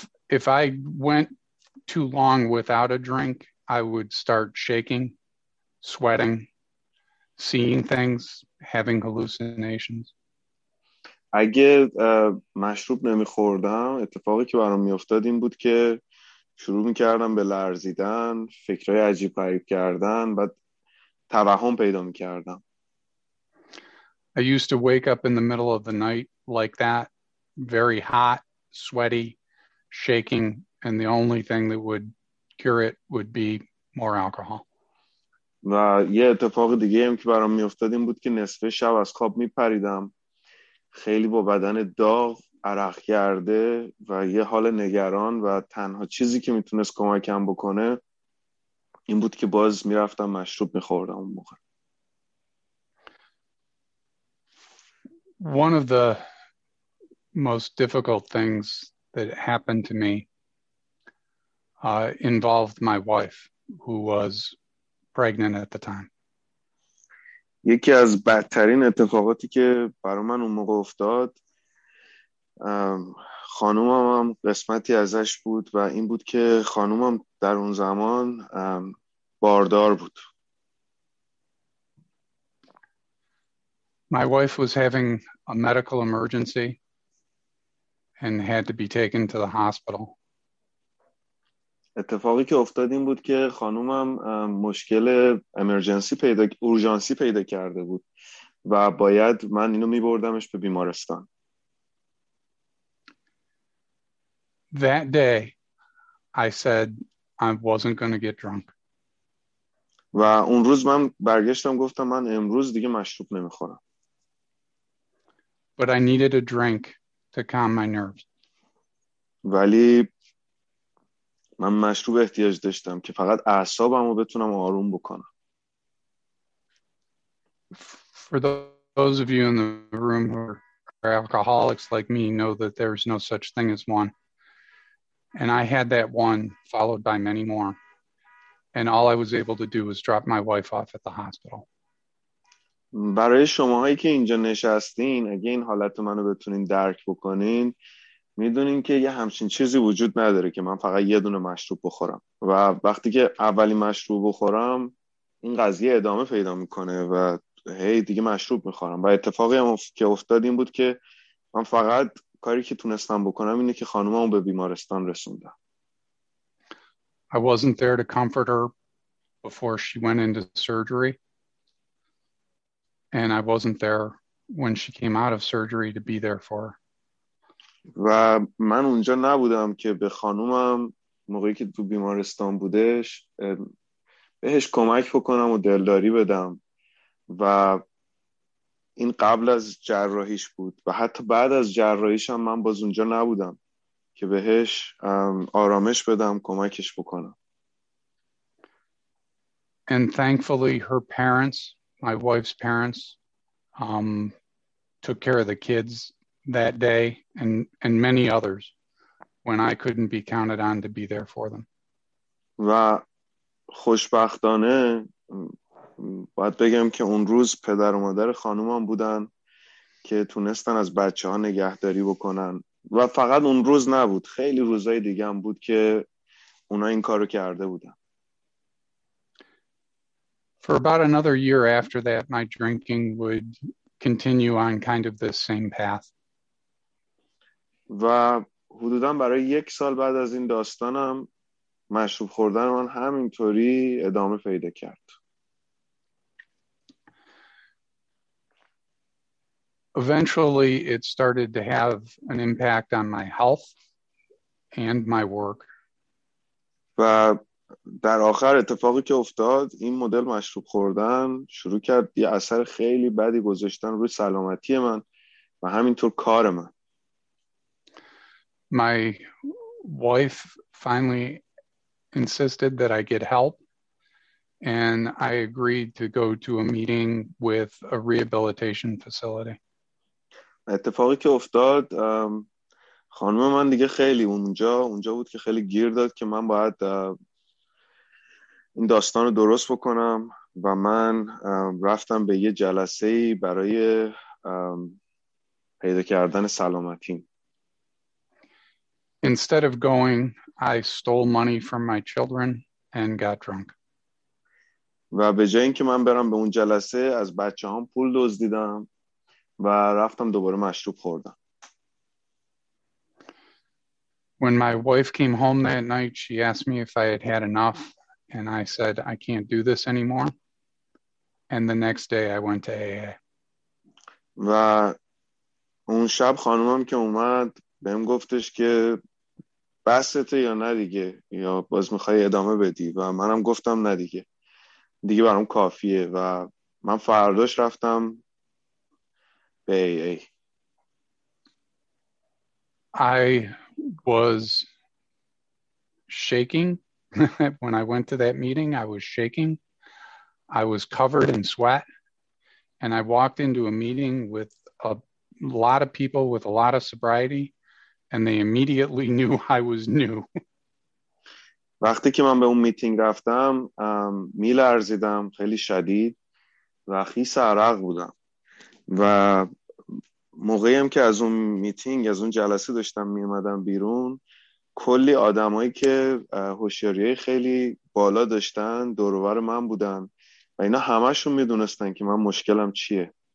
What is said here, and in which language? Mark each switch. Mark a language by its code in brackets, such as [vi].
[en] If I went too long without a drink, I would start shaking, sweating, seeing things, having hallucinations. [fa] اگه مشروب نمی‌خوردم، اتفاقی که برام می‌افتاد این بود که شروع می‌کردم به لرزیدن، فکرای عجیب غریب کردن، بعد توهم پیدا می‌کردم. [en] I used to wake up in the middle of the night like that, very hot, sweaty, shaking, and the only thing that would cure it would be more alcohol. [fa] و یه اتفاق دیگه هم که برام میافتاد این بود که نصف شب از خواب میپریدم، خیلی با بدن داغ، عرق کرده و یه حال نگران، و تنها چیزی که میتونست کمکم بکنه این بود که باز میرفتم مشروب میخوردم اون موقع. [en] One of the most difficult things that happened to me involved my wife. who was pregnant at the time. [fa] یکی از بدترین اتفاقاتی که برای من اون موقع افتاد خانومم هم قسمتی ازش بود و این بود که خانومم در اون زمان باردار بود. [en] My wife was having a medical emergency and had to be taken to the hospital. [fa] اتفاقی که افتاد این بود که خانومم مشکل امرجنسی پیدا اورژانسی پیدا کرده بود و باید من اینو میبردمش به بیمارستان. [en] That day I said I wasn't going to get drunk. [fa] و اون روز من برگشتم گفتم من امروز دیگه مشروب نمیخورم. [en] But I needed a drink to calm my nerves. [fa] ولی من مشروب احتیاج داشتم که فقط اعصابم رو بتونم آروم بکنم. [en] For those of you in the room who are alcoholics like me, know that there's no such thing as one. And I had that one followed by many more. And all I was able to do was drop my wife off at the hospital. [fa] برای شماهایی که اینجا نشستین، اگه این حالت منو بتونین درک بکنین، میدونین که یه همچین چیزی وجود نداره که من فقط یه دونه مشروب بخورم و وقتی که اولی مشروب بخورم این قضیه ادامه پیدا میکنه و هی دیگه مشروب میخورم. و اتفاقی هم که افتاد این بود که من فقط کاری که تونستم بکنم اینه که خانومم به بیمارستان رسوندم. [en] I wasn't there to comfort her before she went into surgery. And I wasn't there when she came out of surgery to be there for her. [fa] و من اونجا نبودم که به خانومم موقعی که تو بیمارستان بودش بهش کمک بکنم و دلداری بدم و این قبل از جراحیش بود و حتی بعد از جراحیش هم من باز اونجا نبودم که بهش آرامش بدم کمکش بکنم. [en] And thankfully her parents, my wife's parents, took care of the kids that day and many others when I couldn't be counted on to be there for them. [fa] و خوشبختانه باید بگم که اون روز پدر و مادر خانومم بودن که تونستن از بچه‌ها نگهداری بکنن و فقط اون روز نبود، خیلی روزای دیگه هم بود که اونا این کارو کرده بودن. [en] For about another year after that my drinking would continue on kind of the same path. [fa] و حدوداً برای یک سال بعد از این داستانم مشروب خوردن من همینطوری ادامه پیدا کرد. [en] Eventually it started to have an impact on my health and my work. [fa] و در آخر اتفاقی که افتاد این مدل مشروب خوردن شروع کرد یه اثر خیلی بدی گذاشتن روی سلامتی من و همینطور کار من. [en] My wife finally insisted that I get help, and I agreed to go to a meeting with a rehabilitation facility. [fa] اتفاقی که افتاد خانم من دیگه خیلی اونجا بود که خیلی گیر داد که من باید این داستان رو درست بکنم و من رفتم به یه جلسه برای پیدا کردن سلامتی. [en] Instead of going, I stole money from my children and got drunk. [fa] و به جای اینکه من برم به اون جلسه از بچه‌هام پول دزدیدم و رفتم دوباره مشروب خوردم. [en] When my wife came home that night, she asked me if I had had enough, and I said I can't do this anymore. And the next day I went to AA. [fa] و اون شب خانومم که اومد بهم گفتش که بسته یا نه دیگه، یا باز میخوای ادامه بدی؟ و منم گفتم نه دیگه، دیگه برام کافیه. و من فرداش رفتم به ای ای. [en] I was shaking when I went to that meeting. I was shaking. I was covered in sweat. And I walked into a meeting with a lot of people with a lot of sobriety. And they immediately knew I was new. [fa] وقتی که من به اون میتینگ رفتم می لرزیدم خیلی شدید و خیس عرق بودم و موقعی هم که از اون میتینگ از اون جلسه داشتم می اومدم بیرون، کلی آدمایی که هوشیاری خیلی بالا داشتن دور و بر من بودن و اینا همشون میدونستن که من مشکلم چیه.